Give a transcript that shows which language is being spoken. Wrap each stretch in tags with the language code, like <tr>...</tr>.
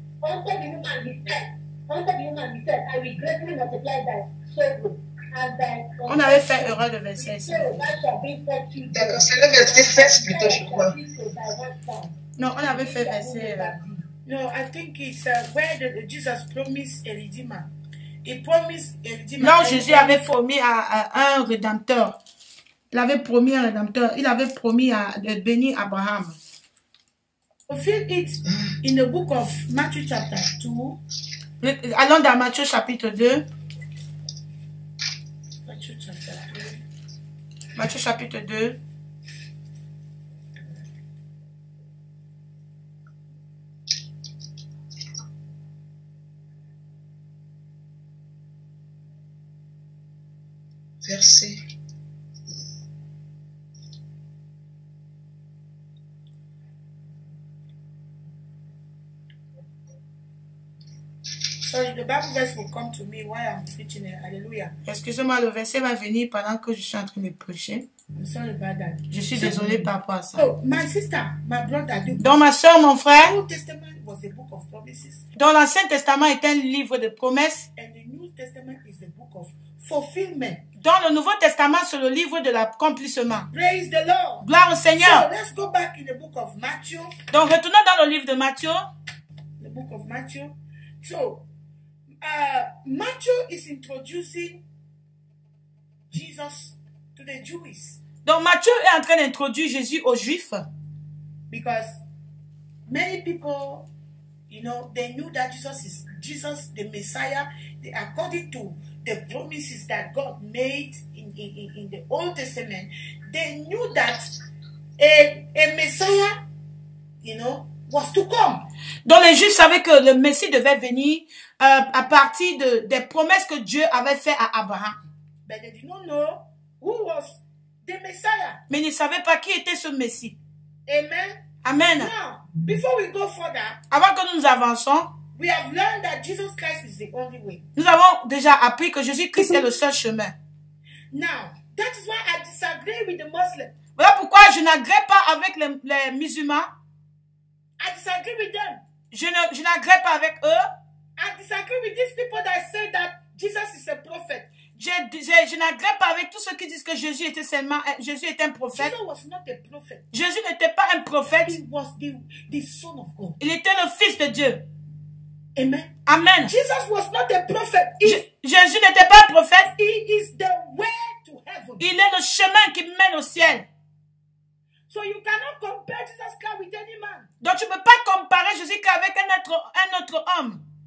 <en>Unto the woman he said, I will greatly multiply thy sorrow.</en> <fr>On avait fait erreur de verset. D'accord, c'est le verset 16 plutôt, je crois. Non, on avait fait verset.</fr> <en>No, I think it's where the Jesus promised a redeemer. He promised a redeemer.</en> <fr>Non, Jésus avait promis à un rédempteur. Il avait promis un rédempteur. Il avait promis de bénir Abraham.</fr> <en>Fulfill it in the book of Matthew chapter 2.</en> <fr>Allons dans Matthieu chapitre 2. Matthieu chapitre 2.</fr> <en>The Bible verse will come to me while I'm preaching it. Hallelujah.</en> <fr>Excusez-moi, le verset va venir pendant que je suis en train de prêcher.</fr> <en>I'm sorry about that.</en> <fr>Je suis désolée par rapport à ça.</fr> <en>Oh, my sister, my brother.</en> <fr>Donc, ma soeur, mon frère.</fr> <en>The Old Testament was a book of promises.</en> <fr>Donc, l'Ancien Testament est un livre de promesses.</fr> <en>And the New Testament is the book of fulfillment.</en> <fr>Dans le Nouveau Testament, c'est le livre de l'accomplissement.</fr> <en>Praise the Lord.</en> <fr>Gloire au Seigneur.</fr> <en>So, let's go back in the book of Matthew.</en> <fr>Donc, retournons dans le livre de Matthieu.</fr> <en>The book of Matthew. So, Matthew is introducing Jesus to the Jews.</en> <fr>Donc Matthieu est en train d'introduire Jésus aux Juifs.</fr> <en>Because many people, you know, they knew that Jesus is Jesus the Messiah, they, according to the promises that God made in the Old Testament, they knew that a Messiah, you know, was to come.</en> <fr>Donc les Juifs savaient que le Messie devait venir à partir des promesses que Dieu avait fait à Abraham.</fr> <en>But they did not know who was the Messiah.</en> <fr>Mais ils ne savaient pas qui était ce Messie. Amen. Amen.</fr> <en>Now, before we go further,</en> <fr>avant que nous avançons,</fr> <en>we have learned that Jesus Christ is the only way.</en> <fr>Nous avons déjà appris que Jésus-Christ est le seul chemin.</fr> <en>Now, that is why I disagree with the Muslims.</en> <fr>Voilà pourquoi je n'agrée pas avec les musulmans.</fr> <en>I disagree with them.</en> <fr>Je n'agrée pas avec eux.</fr> <en>I disagree with these people that say that Jesus is a prophet.</en> <fr>Je n'agrée pas avec tous ceux qui disent que Jésus était seulement Jésus est un prophète.</fr> <en>Jesus was not a prophet.</en> <fr>Jésus n'était pas un prophète.</fr> <en>He was the son of God.</en> <fr>Il était le fils de Dieu. Amen. Amen.</fr> <en>Jesus was not a prophet.</en> <fr>Jésus n'était pas un prophète.</fr> <en>He is the way to heaven.</en> <fr>Il est le chemin qui mène au ciel.</fr> <en>So you cannot compare Jesus Christ with any man.</en> <fr>Donc tu ne peux pas comparer Jésus-Christ avec un autre homme.</fr>